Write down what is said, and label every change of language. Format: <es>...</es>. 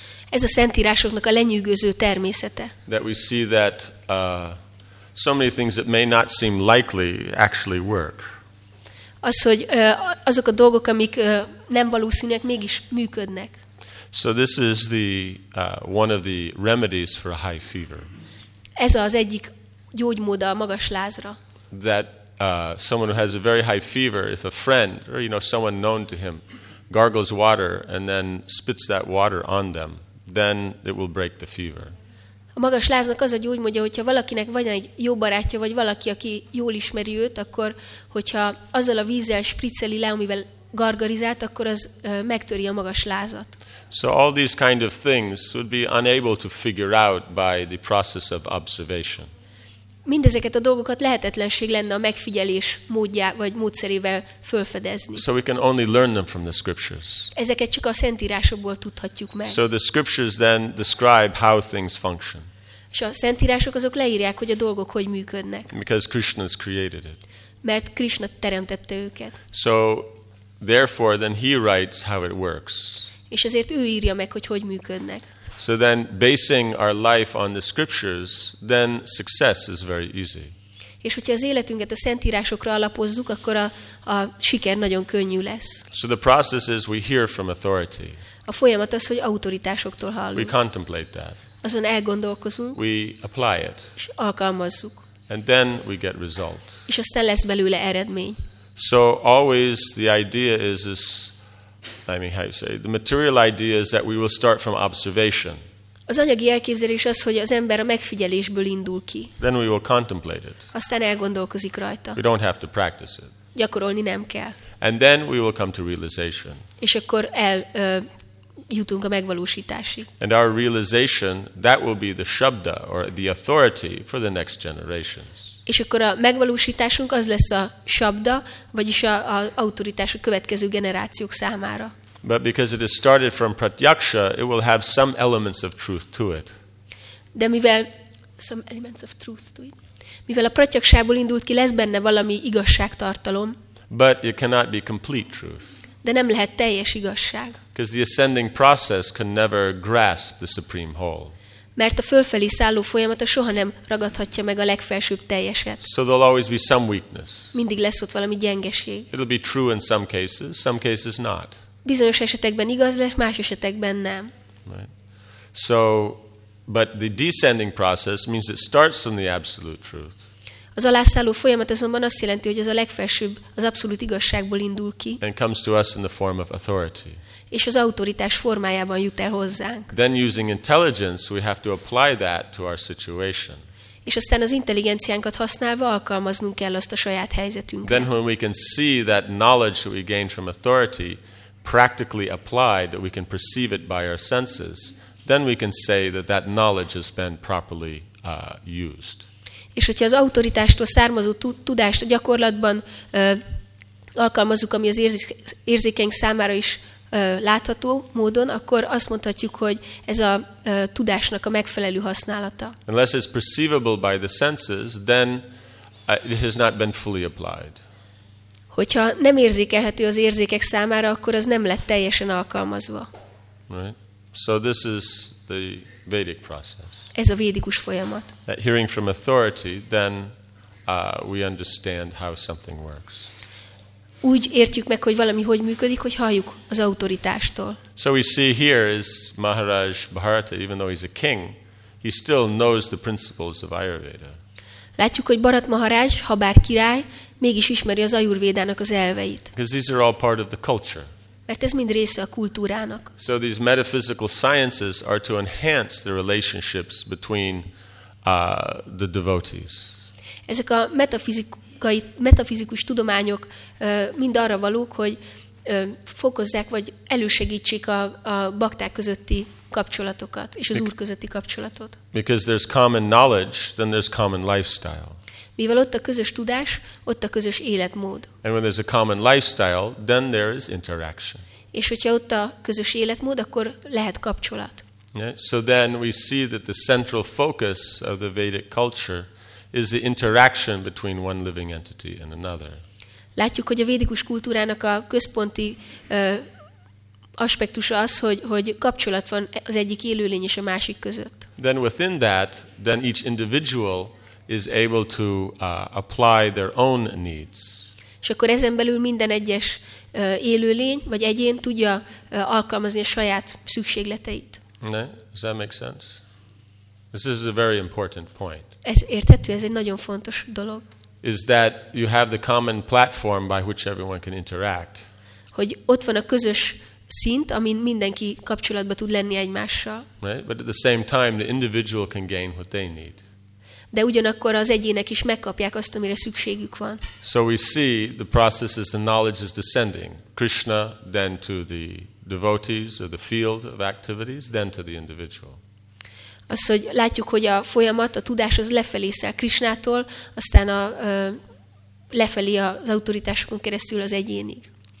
<hu>Ez a szentírásoknak a lenyűgöző természete.</hu> <en>That we see that so many things that may not seem likely actually work.</en> <hu>Az, hogy azok a dolgok, amik nem valószínűek, mégis működnek.</hu> <en>So this is the one of the remedies for a high fever.</en> <hu>Ez az egyik gyógymód a magas lázra.</hu> <en>That someone who has a very high fever, if a friend or you know someone known to him gargles water and then spits that water on them, then it will break the fever.</en> <hu>A magas láznak az a gyógymódja, hogyha valakinek vagy egy jó barátja, vagy valaki, aki jól ismeri őt, akkor hogyha azzal a vízzel spricceli le, amivel gargarizált, akkor az megtöri a magas lázat.</hu> <en>So all these kind of things would be unable to figure out by the process of observation.</en> <hu>Mindezeket a dolgokat lehetetlenség lenne a megfigyelés módja vagy módszerével fölfedezni.</hu> <en>So we can only learn them from the scriptures.</en> <hu>Ezeket csak a szentírásokból tudhatjuk meg.</hu> <en>So the scriptures then describe how things function.</en> <hu>És a szentírások azok leírják, hogy a dolgok hogy működnek.</hu> <en>Because Krishna's created it.</en> <hu>Mert Krishna teremtette őket.</hu> <en>So therefore then he writes how it works.</en> <hu>És ezért ő írja meg, hogy hogy működnek.</hu> <en>So then basing our life on the scriptures, then success is very easy.</en> <hu>És hogyha az életünket a szentírásokra alapozzuk, akkor a siker nagyon könnyű lesz.</hu> <en>So the process is we hear from authority.</en> <hu>A folyamat az, hogy autoritásoktól hallunk.</hu> <en>We contemplate that.</en> <hu>Azon elgondolkozunk.</hu> <en>We apply it.</en> <hu>És alkalmazzuk.</hu> <en>And then we get result.</en> <hu>És aztán lesz belőle eredmény.</hu> <en>So always the idea is this, I mean, how you say it? The material idea is that we will start from observation.</en> <hu>Az anyagi elképzelés az, hogy az ember a megfigyelésből indul ki.</hu> <en>Then we will contemplate it.</en> <hu>Aztán elgondolkozik rajta.</hu> <en>We don't have to practice it.</en> <hu>Gyakorolni nem kell.</hu> <en>And then we will come to realization.</en> <hu>És akkor jutunk a megvalósításig.</hu> <en>And our realization, that will be the shabda or the authority for the next generations.</en> <hu>És akkor a megvalósításunk az lesz a sabda, vagyis a autoritás a következő generációk számára.</hu> <en>But because it is started from pratyaksha, it will have some elements of truth to it.</en> <hu>De mivel</hu> <en>some elements of truth to it.</en> <hu>Mivel a pratyakshából indult ki, lesz benne valami igazságtartalom.</hu> <en>But it cannot be complete truth.</en> <hu>De nem lehet teljes igazság.</hu> <en>Because the ascending process can never grasp the supreme whole.</en> <hu>Mert a fölfelé szálló folyamata soha nem ragadhatja meg a legfelsőbb teljeset.</hu> <en>So there'll always be some weakness.</en> <hu>Mindig lesz ott valami gyengeség.</hu> <en>It'll be true in some cases not.</en> <hu>Bizonyos esetekben igaz lesz, más esetekben nem.</hu> <en>Right. So, but the descending process means it starts from the absolute truth.</en> <hu>Az alászálló folyamat azonban azt jelenti, hogy ez a legfelsőbb, az abszolút igazságból indul ki.</hu> <en>And comes to us in the form of authority.</en> <hu>és az autoritás formájában jut el hozzánk.</hu> <en>Then using intelligence, we have to apply that to our situation.</en> <hu>És aztán az intelligenciánkat használva alkalmaznunk kell azt a saját helyzetünkre.</hu> <en>Then when we can see that knowledge that we gain from authority practically applied, that we can perceive it by our senses, then we can say that that knowledge has been properly used.</en> <hu>És hogyha az autoritástól származó tudást a gyakorlatban alkalmazzuk, ami az érzékeink számára is látható módon, akkor azt mondhatjuk, hogy ez a tudásnak a megfelelő használata.</hu> <en>Unless it's perceivable by the senses, then it has not been fully applied.</en> <hu>Hogyha nem érzékelhető az érzékek számára, akkor az nem lett teljesen alkalmazva.</hu> <en>Right. So this is the Vedic process.</en> <hu>Ez a védikus folyamat.</hu> <en>That hearing from authority, then we understand how something works.</en> <hu>Úgy értjük meg, hogy valami hogy működik, hogy halljuk az autoritástól.</hu> <en>So we see here is Maharaj Bharata, even though he's a king, he still knows the principles of Ayurveda.</en> <hu>Látjuk, hogy Bharat Maharaj, ha bár király, mégis ismeri az Ayurvédának az elveit.</hu> <en>Because these are all part of the culture.</en> <hu>Mert ez mind része a kultúrának.</hu> <en>So these metaphysical sciences are to enhance the relationships between the devotees.</en> <hu>Ezek a metafizikus tudományok mind arra valók, hogy fokozzák vagy elősegítsék a bakták közötti kapcsolatokat és az Úr közötti kapcsolatot.</hu> <en>Because there's common knowledge, then there's common lifestyle.</en> <hu>Mivel ott a közös tudás, ott a közös életmód.</hu> <en>And when there's a common lifestyle, then there is interaction.</en> <hu>És hogyha ott a közös életmód, akkor lehet kapcsolat.</hu> <en>Yeah, so then we see that the central focus of the Vedic culture is the interaction between one living entity and another.</en> <hu>Látjuk, hogy a védikus kultúrának a központi aspektusa az, hogy kapcsolat van az egyik élőlény és a másik között.</hu> <en>Then within that, then each individual is able to apply their own needs.</en> <hu>És akkor ezen belül minden egyes élőlény vagy egyén tudja alkalmazni a saját szükségleteit.</hu> <en>Ne? Does that make sense? This is a very important point.</en> <hu>Ez érthető, ez egy nagyon fontos dolog.</hu> <en>Is that you have the common platform by which everyone can interact.</en> <hu>Hogy ott van a közös szint, amin mindenki kapcsolatba tud lenni egymással.</hu> <en>Right? But at the same time the individual can gain what they need.</en> <hu>De ugyanakkor az egyének is megkapják azt, amire szükségük van.</hu> <en>So we see the process is the knowledge is descending. Krishna then to the devotees or the field of activities then to the individual.</en> <hu>Azt, hogy látjuk, hogy a folyamat, a tudás az lefelé száll Krishnától, aztán a lefelé az autoritásokon keresztül az egyénig.</hu>